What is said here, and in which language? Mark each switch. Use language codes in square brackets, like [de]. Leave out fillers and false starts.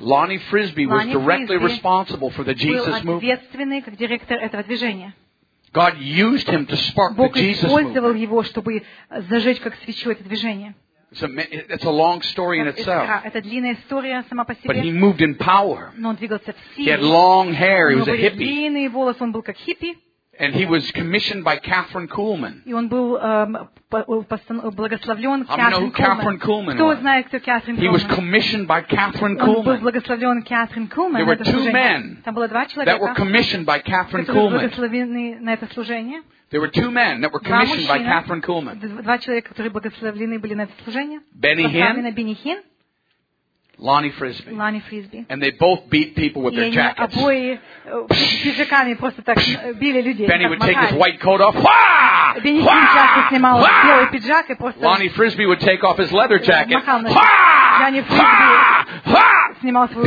[en] Lonnie Frisbee was directly responsible for the Jesus movement. [ru] Был ответственный как директор этого движения. [en] God used him to spark the Jesus movement. [ru] Бог использовал его, чтобы зажечь как свечу это движение. [en] It's a long story in itself. [ru] Это длинная история сама по себе. [en] But he moved in power. [ru] Но он двигался в силе. [en] He had long hair. He was a hippie. [ru] У него были длинные волосы. Он был как хиппи. [en] And he was commissioned by Catherine Kuhlman. [ru] И он был благословлен Catherine Kuhlman. Кто знает, кто Catherine Kuhlman? [en] He was commissioned by Catherine Kuhlman. [ru] Он был благословлен Catherine Kuhlman. [en] There were two men. [ru] Там было два человека. [en] That were commissioned by Catherine Kuhlman. [ru] Которые были благословлены на это служение. [en] There were two men that were commissioned by Catherine Kuhlman. [ru] Два человека, которые благословлены были на это служение. Бенни Хин. Lonnie Frisbee. Lonnie Frisbee. [en] And they both beat people with their jackets. [ru] И они обои пиджаками просто так били людей. [en] Benny would take his white coat off. [ru] Бенни Хин часто снимал белый пиджак и просто. [en] Lonnie Frisbee would take off his leather jacket. [ru] Лонни Фрисби снимал свою.